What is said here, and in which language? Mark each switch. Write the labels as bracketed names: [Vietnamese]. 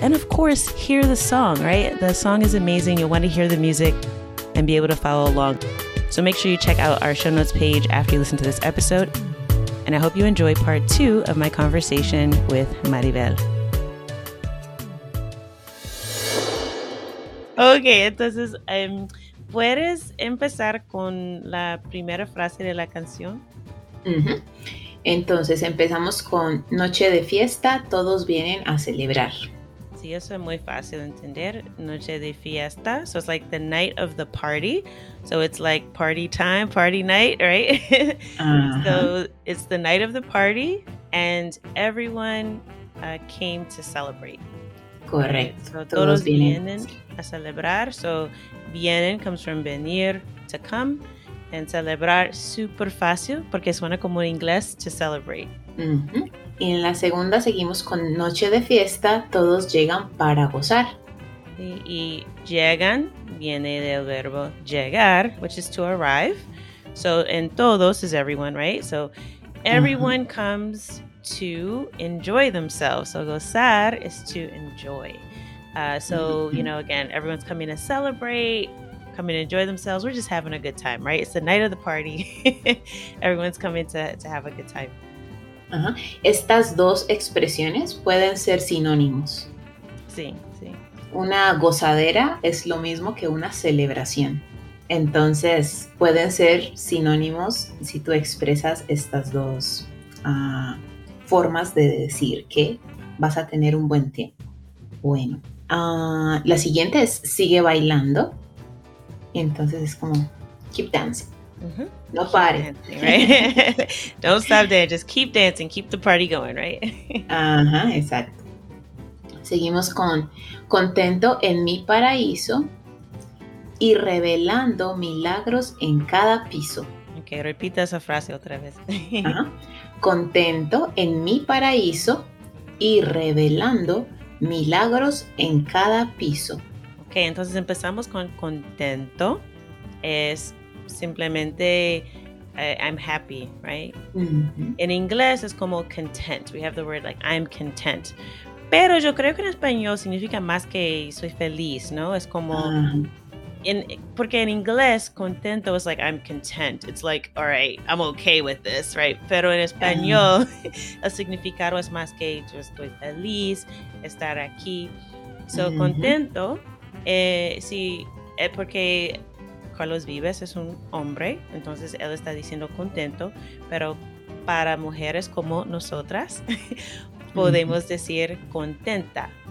[English] And of course, hear the song, right? The song is amazing. You'll want to hear the music and be able to follow along. So make sure you check out our show notes page after you listen to this episode. And I hope you enjoy part two of my conversation with Maribel. [Spanish] Okay, entonces, ¿puedes empezar con la primera frase de la canción? Uh-huh. Entonces, empezamos con noche de fiesta, todos vienen a celebrar. Sí, eso es muy fácil de entender, noche de fiesta. [English] So it's like the night of the party. So it's like party time, party night, right? Uh-huh. So it's the night of the party and everyone came to celebrate. [Spanish] Correcto. [English] So [Spanish] todos vienen a celebrar. [English] So vienen comes from venir, to come. [Spanish] And celebrar, super fácil, porque suena como en inglés, [English] to celebrate. Mm-hmm. [Spanish] Y en la segunda seguimos con noche de fiesta, todos llegan para gozar. Y llegan, viene del verbo llegar, [English] which is to arrive. So [Spanish] en todos [English] is everyone, right? So everyone mm-hmm. comes to enjoy themselves. So gozar is to enjoy. So, mm-hmm. you know, again, everyone's coming to celebrate, coming to enjoy themselves. We're just having a good time, right? It's the night of the party. Everyone's coming to have a good time. Uh-huh. [Spanish] Estas dos expresiones pueden ser sinónimos. Sí, sí. Una gozadera es lo mismo que una celebración. Entonces, pueden ser sinónimos si tú expresas estas dos formas de decir que vas a tener un buen tiempo. Bueno, la siguiente es sigue bailando. Entonces es como [English] keep dancing. [Spanish] Mm-hmm. No pare. [English] Right? Don't stop dancing. Just keep dancing. Keep the party going, right? [Spanish] Ajá, exacto. Seguimos con contento en mi paraíso y revelando milagros en cada piso. Ok, repita esa frase otra vez. Contento en mi paraíso y revelando milagros en cada piso. Ok, entonces empezamos con contento. Es simplemente [English] I'm happy, right? Mm-hmm. [Spanish] En inglés es como content. [English] We have the word like I'm content. [Spanish] Pero yo creo que en español significa más que soy feliz, ¿no? Es como... Porque en inglés, contento [English] is like, I'm content. It's like, all right, I'm okay with this, right? [Spanish] Pero en español, el significado es más que yo estoy feliz, estar aquí. So, mm-hmm. contento, sí, porque Carlos Vives es un hombre, entonces él está diciendo contento, pero para mujeres como nosotras, podemos decir contenta.